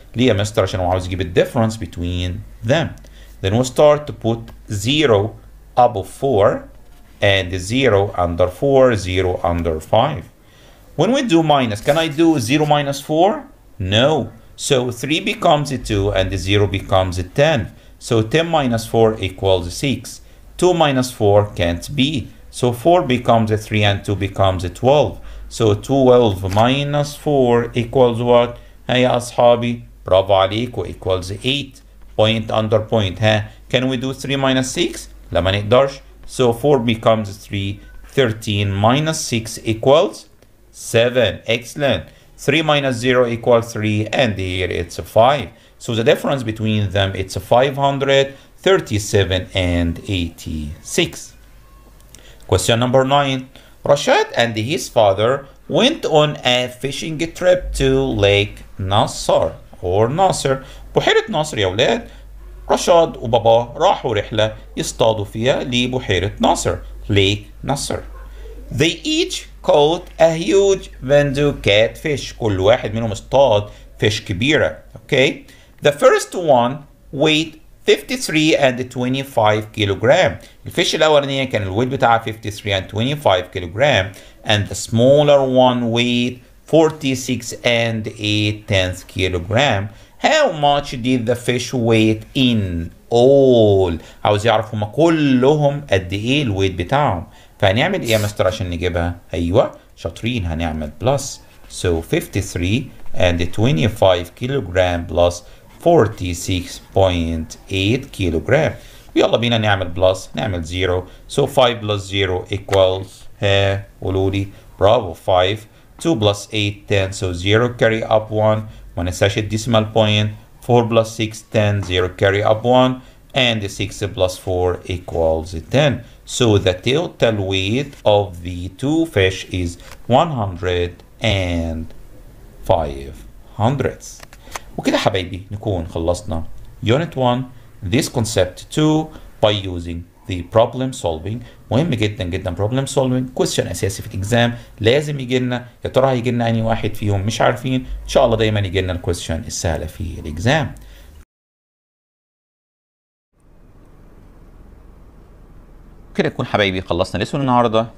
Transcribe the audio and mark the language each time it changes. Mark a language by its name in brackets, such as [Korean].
[Arabic] ليه يا مستر؟ عشان عاوز يجيب الـ [English] difference between them. Then we start to put 0 above 4 and 0 under 4, 0 under 5. When we do minus, can I do 0 minus 4? No. So 3 becomes a 2 and 0 becomes a 10. So 10 minus 4 equals 6. 2 minus 4 can't be. So 4 becomes a 3 and 2 becomes a 12. So 12 minus 4 equals what? Hey, [Arabic] ashabi, bravo aliku, [English] equals 8. Point under point, huh? Can we do 3 minus 6? [Arabic] La ma nikdarsh. [English] So 4 becomes 3. 13 minus 6 equals 7. Excellent. 3 minus 0 equals 3. And here it's a 5. So the difference between them, it's a 537 and 86. Question number 9. Rashad and his father went on a fishing trip to Lake Nasser. [Arabic] Or Nasser. بحيرة ناصر يا أولاد. رشاد وبابا راحوا رحلة يصطادوا فيها لبحيرة ناصر Lake Nasser. [English] They each caught a huge bandu catfish. [Arabic] كل واحد منهم اصطاد فيش كبيرة. [English] Okay. The first one weighed 53 and 25 kilogram. [Arabic] الفيش الأولانية كان الويت بتاعها [English] 53 and 25 kilogram. And the smaller one weighed 46 and 8/10 kilogram. How much did the fish weigh in all? [Arabic] عاوز يعرفوا ما كلهم قد ايه الويت بتاعهم. فهنعمل ايه يا مستر عشان نجيبها؟ ايوه شاطرين هنعمل بلس. [English] So 53 and 25 kilogram plus 46.8 kilogram. [Arabic] يلا بينا نعمل بلس، نعمل 0. [English] So 5 plus 0 equals [Arabic] ها قولوا لي برافو [English] 5. 2 plus 8 10. So 0 carry up 1. One is such a decimal point, 4 plus 6, 10, 0 carry up 1, and 6 plus 4 equals 10. So the total weight of the two fish is 105 hundredths. [Arabic] وكده حبايبي نكون خلصنا [English] unit 1, this concept 2, by using the problem solving. [Arabic] مهم جدا جدا problem solving. question اساسي في الاكزام لازم يجينا. يا ترى هيجينا اي واحد فيهم؟ مش عارفين. ان شاء الله دايما يجينا الquestion السهله في الاكزام. كده نكون حبايبي خلصنا lesson النهارده.